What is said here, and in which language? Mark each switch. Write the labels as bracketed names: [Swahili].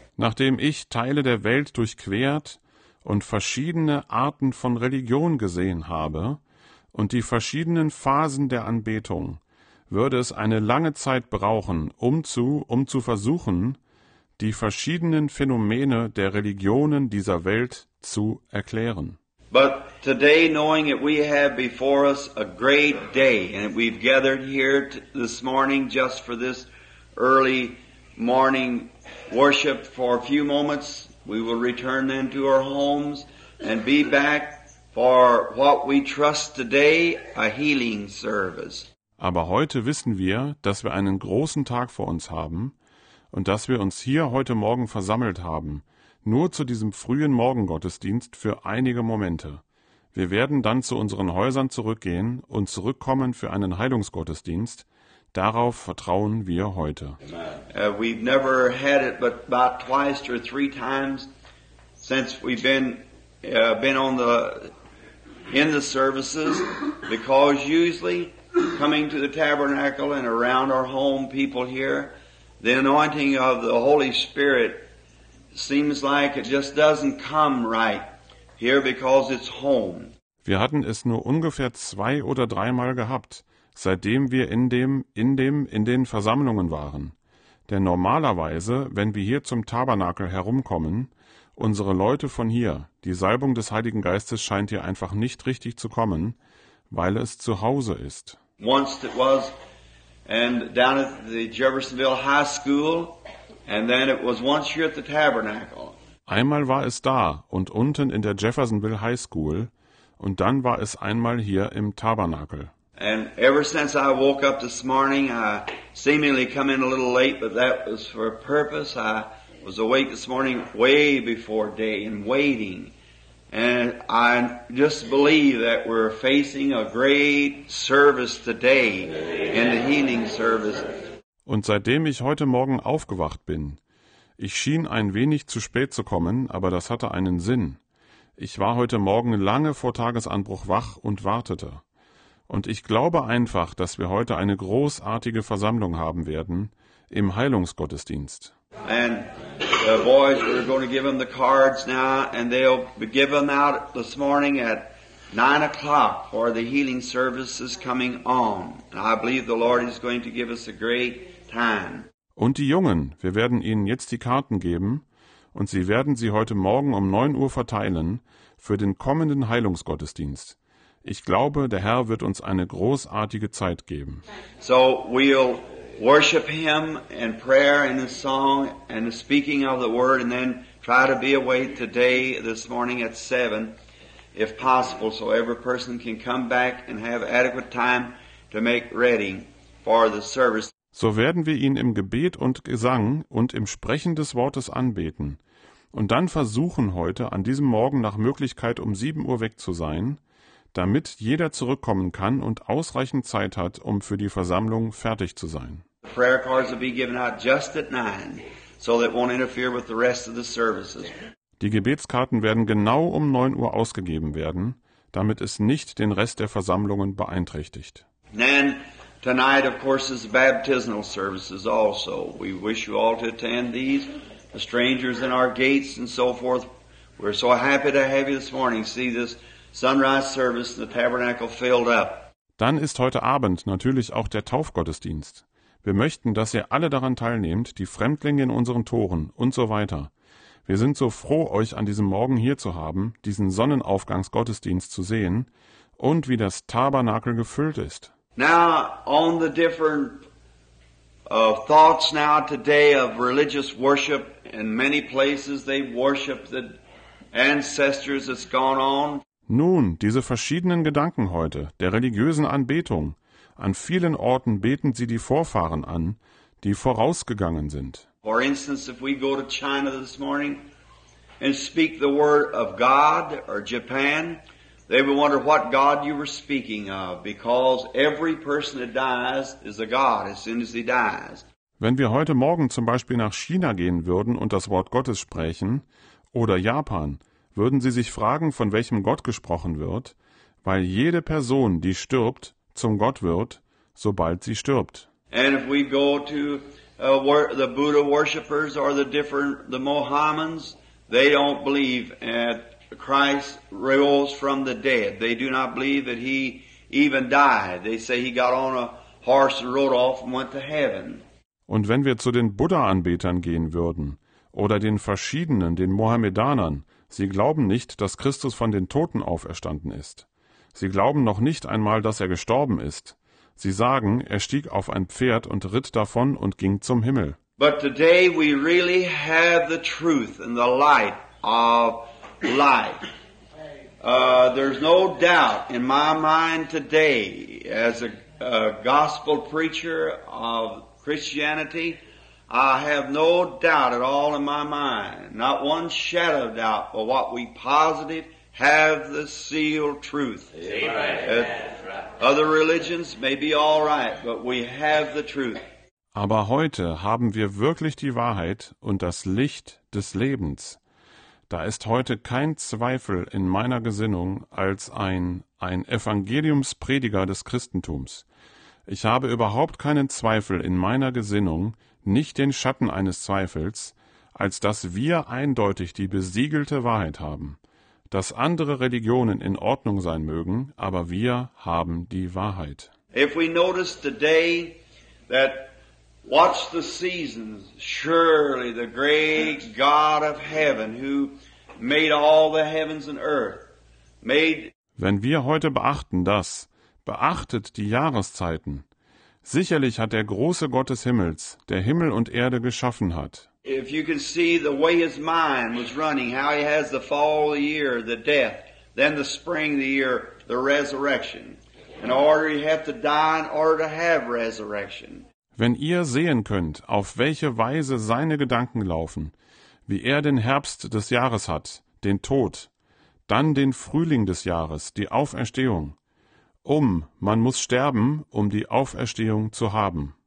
[German] Nachdem ich Teile der Welt durchquert und verschiedene Arten von Religion gesehen habe und die verschiedenen Phasen der Anbetung würde es eine lange Zeit brauchen, um zu versuchen, die verschiedenen Phänomene der Religionen dieser Welt zu erklären. [English] But today, knowing that we have before us a great day, and that we've gathered here this morning just for this early morning worship for a few moments, we will return then to our homes and be back for what we trust today, a healing service. [German] Aber heute wissen wir, dass wir einen großen Tag vor uns haben und dass wir uns hier heute Morgen versammelt haben, nur zu diesem frühen Morgengottesdienst für einige Momente. Wir werden dann zu unseren Häusern zurückgehen und zurückkommen für einen Heilungsgottesdienst. Darauf vertrauen wir heute. [English] We've never had it but about twice or three times since we've been in the services, because usually coming to the tabernacle and around our home people here, the anointing of the Holy Spirit seems like it just doesn't come right here because it's home. [German] Wir hatten es nur ungefähr zwei oder dreimal gehabt, seitdem wir in den Versammlungen waren. Denn normalerweise, wenn wir hier zum Tabernakel herumkommen, unsere Leute von hier, die Salbung des Heiligen Geistes scheint hier einfach nicht richtig zu kommen, weil es zu Hause ist. [English] Once it was, and down at the Jeffersonville High School. And then it was once here at the tabernacle. [German] Einmal war es da und unten in der Jeffersonville High School, und dann war es einmal hier im Tabernakel. [English] And ever since I woke up this morning, I seemingly come in a little late, but that was for a purpose. I was awake this morning way before day and waiting. And I just believe that we're facing a great service today in the healing service. [German] Und seitdem ich heute Morgen aufgewacht bin, ich schien ein wenig zu spät zu kommen, aber das hatte einen Sinn. Ich war heute Morgen lange vor Tagesanbruch wach und wartete. Und ich glaube einfach, dass wir heute eine großartige Versammlung haben werden im Heilungsgottesdienst. [English] And the boys, we're going to give them the cards now, and they'll be given out this morning at 9 o'clock for the healing services coming on. And I believe the Lord is going to give us a great time. [German] Und die Jungen, wir werden ihnen jetzt die Karten geben und sie werden sie heute Morgen um 9 Uhr verteilen für den kommenden Heilungsgottesdienst. Ich glaube, der Herr wird uns eine großartige Zeit geben. [English] So we'll worship him in prayer and in song and the speaking of the word, and then try to be away today, this morning at 7. If possible, so every person can come back and have adequate time to make ready for the service. [German] So werden wir ihn im Gebet und Gesang und im Sprechen des Wortes anbeten und dann versuchen heute an diesem Morgen nach Möglichkeit um 7 Uhr weg zu sein, damit jeder zurückkommen kann und ausreichend Zeit hat, um für die Versammlung fertig zu sein. [English] The prayer cards will be given out just at 9, so that it won't interfere with the rest of the services. [German] Die Gebetskarten werden genau um 9 Uhr ausgegeben werden, damit es nicht den Rest der Versammlungen beeinträchtigt. [English] Then tonight of course is baptismal services also. We wish you all to attend these, the strangers in our gates and so forth. We're so happy to have you this morning. See this sunrise service, the tabernacle filled up. [German] Dann ist heute Abend natürlich auch der Taufgottesdienst. Wir möchten, dass ihr alle daran teilnehmt, die Fremdlinge in unseren Toren und so weiter. Wir sind so froh, euch an diesem Morgen hier zu haben, diesen Sonnenaufgangsgottesdienst zu sehen und wie das Tabernakel gefüllt ist. [English] Now, on the different thoughts now today of religious worship, in many places they worship the ancestors that's gone on. [German] Nun, diese verschiedenen Gedanken heute, der religiösen Anbetung, an vielen Orten beten sie die Vorfahren an, die vorausgegangen sind. [English] For instance, if we go to China this morning and speak the word of God, or Japan, they will wonder what God you were speaking of, because every person that dies is a God as soon as he dies. [German] Wenn wir heute Morgen zum Beispiel nach China gehen würden und das Wort Gottes sprechen, oder Japan, würden sie sich fragen, von welchem Gott gesprochen wird, weil jede Person, die stirbt, zum Gott wird, sobald sie stirbt. [English] And if we go to the Buddha worshippers or the Mohammedans, they don't believe that Christ rose from the dead. They do not believe that he even died. They say he got on a horse and rode off and went to heaven. [German] Und wenn wir zu den Buddha-Anbetern gehen würden, oder den Verschiedenen, den Mohammedanern, sie glauben nicht, dass Christus von den Toten auferstanden ist. Sie glauben noch nicht einmal, dass er gestorben ist. Sie sagen, er stieg auf ein Pferd und ritt davon und ging zum Himmel. [English] But today we really have the truth and the light of life. There's no doubt in my mind today, as a gospel preacher of Christianity, I have no doubt at all in my mind, not one shadow of doubt, but what we positive have the sealed truth. Amen. Other religions may be all right, but we have the truth. [German] Aber heute haben wir wirklich die Wahrheit und das Licht des Lebens. Da ist heute kein Zweifel in meiner Gesinnung als ein Evangeliumsprediger des Christentums. Ich habe überhaupt keinen Zweifel in meiner Gesinnung, nicht den Schatten eines Zweifels, als dass wir eindeutig die besiegelte Wahrheit haben, dass andere Religionen in Ordnung sein mögen, aber wir haben die Wahrheit. [English] If we notice today that watch the seasons, surely the great God of heaven who made all the heavens and earth made. [German] Wenn wir heute beachten, dass beachtet die Jahreszeiten, sicherlich hat der große Gott des Himmels, der Himmel und Erde geschaffen hat. [English] If you can see the way his mind was running, how he has the fall of the year, the death, then the spring of the year, the resurrection. In order you have to die in order to have resurrection. [German] Wenn ihr sehen könnt, auf welche Weise seine Gedanken laufen, wie er den Herbst des Jahres hat, den Tod, dann den Frühling des Jahres, die Auferstehung. Man muss sterben, um die Auferstehung zu haben.